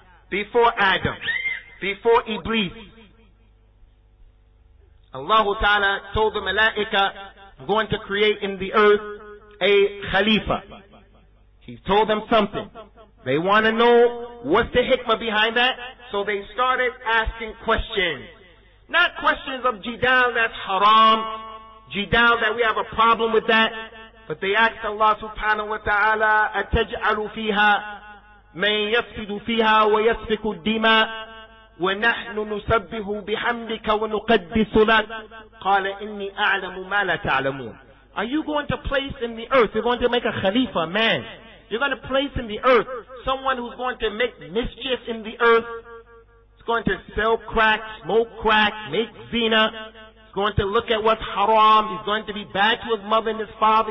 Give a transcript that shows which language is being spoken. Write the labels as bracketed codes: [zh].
[en] Before Adam, before Iblis, Allah Ta'ala told the Malaika, I'm going to create in the earth a Khalifa. He told them something. They want to know what's the hikmah behind that, So they started asking questions. Not questions of jidal, that's haram. Jidal, that we have a problem with that. But they asked Allah subhanahu wa ta'ala, [ar] أَتَجْعَلُ فِيهَا مَنْ يَفْسِدُ فِيهَا وَيَسْفِكُ الدِّمَا وَنَحْنُ نُسَبِّهُ بِحَمْدِكَ وَنُقَدِّسُ لَكَ قَالَ إِنِّي أَعْلَمُ مَا لَا تَعْلَمُونَ. [en] Are you going to place in the earth, you're going to make a khalifa, man. You're going to place in the earth someone who's going to make mischief in the earth. It's going to sell crack, smoke crack, make zina. He's going to look at what's haram. He's going to be bad to his mother and his father.